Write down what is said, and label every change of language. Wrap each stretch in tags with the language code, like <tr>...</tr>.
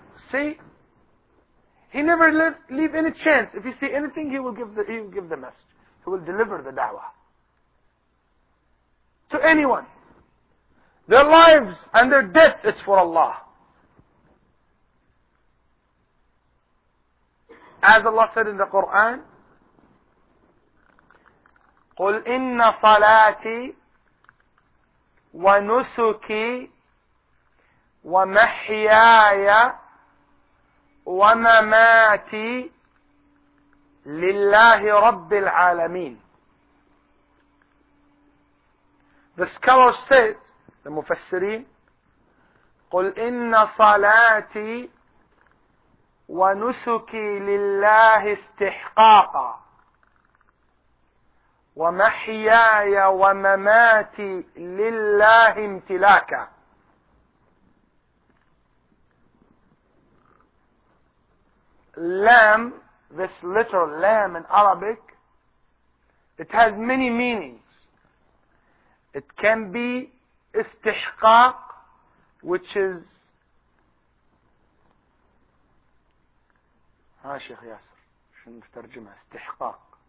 <en>See? He never leave any chance. If he see anything, he will give the message. He will deliver the da'wah. To anyone. Their lives and their death is for Allah. As Allah said in the Quran,</en> <ar>قُلْ إِنَّ صَلَاتِي وَنُسُكِي وَمَحْيَايَ وَمَمَاتِي لِلَّهِ رَبِّ الْعَالَمِينَ.</ar> <en>The scholars said, the Mufassirin,</en> <ar>قُلْ إِنَّ صَلَاتِي وَنُسُكِي لِلَّهِ اسْتِحْقَاقًا ومحياي ومماتي لله امتلاكا.</ar> <en>Lamb, this letter lamb in Arabic, it has many meanings. It can be istihqaq, which is</en> <ar>شيخ ياسر شنو نترجمها استحقاق.</ar>